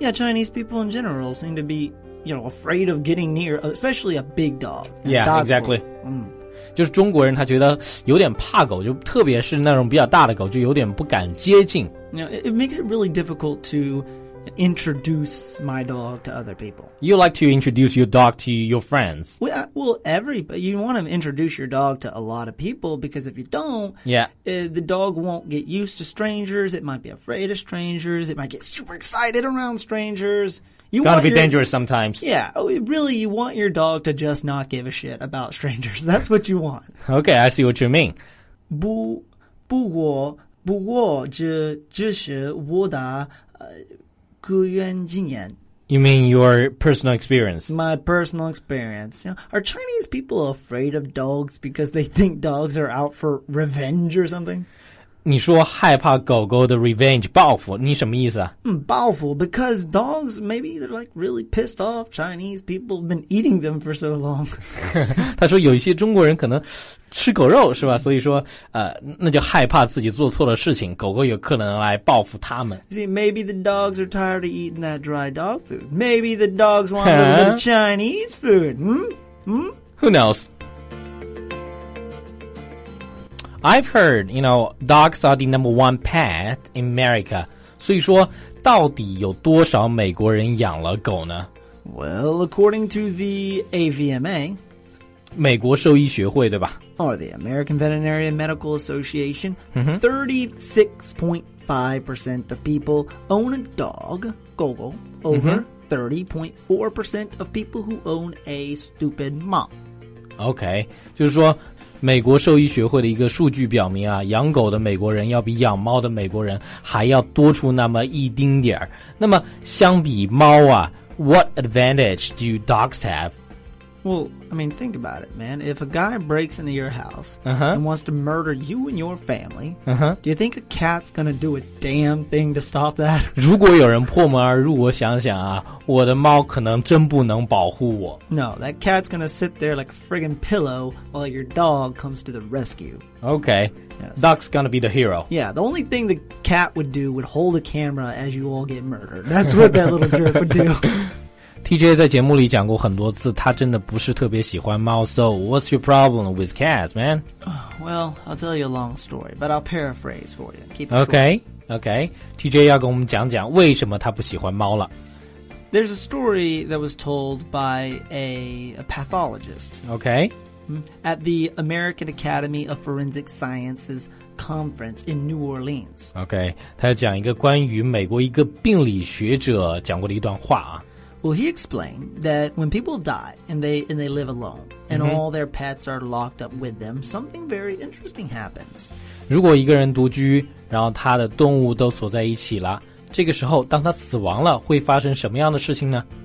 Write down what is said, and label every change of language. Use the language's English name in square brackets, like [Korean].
[English] Yeah, Chinese people in general seem to be, you know, afraid of getting near, especially a big dog. Yeah, exactly. [Chinese] 就是中国人他觉得有点怕狗，就特别是那种比较大的狗，就有点不敢接近。 [English] You know, it makes it really difficult to introduce my dog to other people. You like to introduce your dog to your friends? Well, everybody, you want to introduce your dog to a lot of people, because if you don't, the dog won't get used to strangers. It might be afraid of strangers. It might get super excited around strangers. Gotta be dangerous sometimes. Yeah, really, you want your dog to just not give a shit about strangers. That's what you want. Okay, I see what you mean. [Chinese] 不过这是我的个人经验。 [English] You mean your personal experience? My personal experience. You know, are Chinese people afraid of dogs because they think dogs are out for revenge or something? [Chinese] 你说害怕狗狗的 revenge, 报复，你什么意思啊？ [English] 报复 because dogs, maybe they're like really pissed off. Chinese people have been eating them for so long. [Chinese] 他说有一些中国人可能吃狗肉是吧，所以说那就害怕自己做错了事情，狗狗有可能来报复他们。 [English] See, maybe the dogs are tired of eating that dry dog food. Maybe the dogs want a little bit of Chinese food. Who knows? I've heard, you know, dogs are the number one pet in America. [Chinese] 所以说到底有多少美国人养了狗呢？ [English] Well, according to the AVMA, [Chinese] 美国兽医学会对吧？ [English] Or the American Veterinary and Medical Association, 36.5% of people own a dog, 狗狗 over 30.4% of people who own a stupid mop. [Chinese] Okay, 就是说美国兽医学会的一个数据表明啊，养狗的美国人要比养猫的美国人还要多出那么一丁点儿。那么相比猫啊， [English] what advantage do dogs have? Well, I mean, think about it, man. If a guy breaks into your house and wants to murder you and your family, do you think a cat's gonna do a damn thing to stop that? [Chinese] 如果有人破门而入，我想想啊，我的猫可能真不能保护我。 [English] No, that cat's gonna sit there like a friggin' pillow while your dog comes to the rescue. Okay, yes. Dog's gonna be the hero. Yeah, the only thing the cat would do would hold a camera as you all get murdered. That's what that little jerk would do. [Chinese] TJ 在节目里讲过很多次，他真的不是特别喜欢猫。 [English] So what's your problem with cats, man? Well, I'll tell you a long story, but I'll paraphrase for you. Keep it short. Okay, okay. [Chinese] TJ 要跟我们讲讲为什么他不喜欢猫了。 [English] There's a story that was told by a pathologist. Okay. At the American Academy of Forensic Sciences conference in New Orleans. [Chinese] Okay, 他要讲一个关于美国一个病理学者讲过的一段话啊。 [English] Well, he explained that when people die and they live alone and mm-hmm. all their pets are locked up with them, something very interesting happens. [Chinese] 如果一个人独居，然后他的动物都锁在一起了，这个时候当他死亡了，会发生什么样的事情呢？